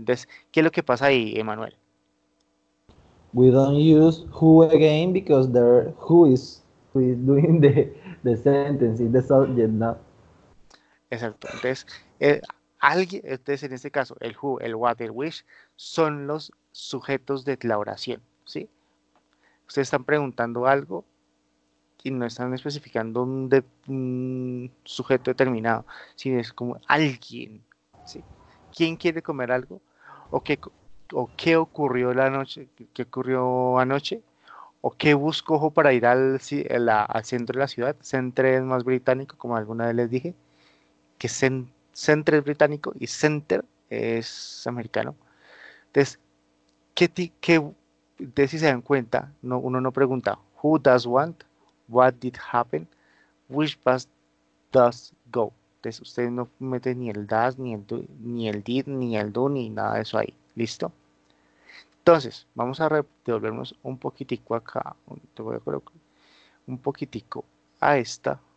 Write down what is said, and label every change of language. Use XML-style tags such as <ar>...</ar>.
<es>Entonces, ¿qué es lo que pasa ahí, Emanuel?</es> <en>We don't use who again because there who is doing the sentence in the subject now.</en> <es>Exacto. Entonces, alguien, entonces en este caso, el who, el what, el which son los sujetos de la oración, ¿sí? Ustedes están preguntando algo y no están especificando un sujeto determinado, sino es como alguien, ¿sí? ¿Quién quiere comer algo? ¿O qué ocurrió la noche? ¿Qué ocurrió anoche? ¿O qué busco ojo para ir al centro de la ciudad? Centro es más británico, como alguna vez les dije. Que centro es británico y center es americano. Entonces, si se dan cuenta, no, uno no pregunta</es> <en>who does want, what did happen, which bus does go.</en> <es>Entonces, ustedes no meten ni el does, ni el do, ni el did, ni el do, ni nada de eso ahí. ¿Listo? Entonces, vamos a devolvernos un poquitico acá. Te voy a colocar un poquitico a esta.</es>